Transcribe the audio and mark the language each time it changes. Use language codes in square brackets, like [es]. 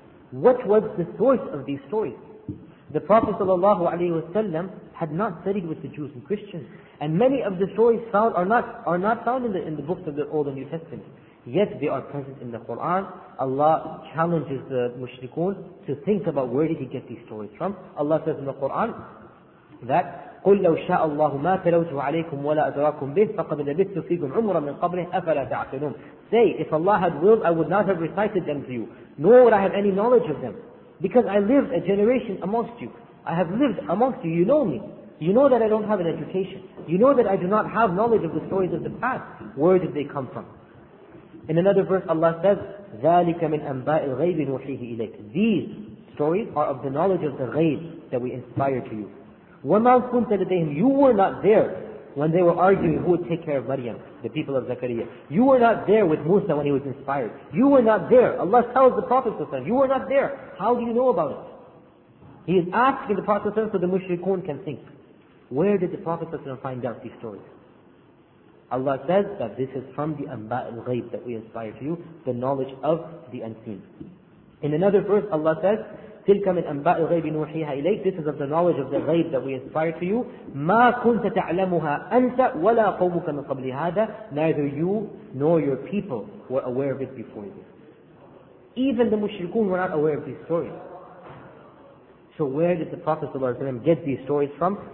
[en] What was the source of these stories? The Prophet ﷺ had not studied with the Jews and Christians. And many of the stories found are not found in the books of the Old and New Testament. Yet they are present in the Quran. Allah challenges the mushrikun to think about where did he get these stories from. Allah says in the Quran that [ar] قُلْ لَوْ شَاءَ اللَّهُ مَا تَلَوْتُ عَلَيْكُمْ وَلَا أَدْرَاكُمْ بِهِ فَقَدْ لَبِثْتُ فِيكُمْ عُمْرًا مِنْ قَبْلِهِ أَفَلَا تَعْقِلُونَ. [en] Say, if Allah had willed, I would not have recited them to you, nor would I have any knowledge of them. Because I lived a generation amongst you. I have lived amongst you. You know me. You know that I don't have an education. You know that I do not have knowledge of the stories of the past. Where did they come from? In another verse, Allah says, [ar] ذَلِكَ مِنْ أَنْبَاءِ الْغَيْبِ نُوحِيهِ إِلَيْكَ. [en] These stories are of the knowledge of the ghayb that we inspire to you. [ar] وَمَا كُنْتَ لَدَيْهِمْ. [en] You were not there when they were arguing who would take care of Maryam, the people of Zakaria. You were not there with Musa when he was inspired. You were not there. Allah tells the Prophet ﷺ, you were not there. How do you know about it? He is asking the Prophet ﷺ so the mushrikun can think. Where did the Prophet ﷺ find out these stories? Allah says that this is from the Anba' al-Ghayb that we inspire to you, the knowledge of the unseen. In another verse, Allah says, [ar] تِلْكَ مِنْ أَنْبَاءِ الْغَيْبِ نُوحِيهَا إِلَيْكَ. [en] This is of the knowledge of the ghayb that we inspire to you. [ar] مَا كُنْتَ تَعْلَمُهَا أَنْتَ وَلَا قَوْمُكَ مِنْ قَبْلِ هَذَا. [en] Neither you nor your people were aware of it before you. Even the mushrikun were not aware of these stories. So where did the Prophet ﷺ get these stories from?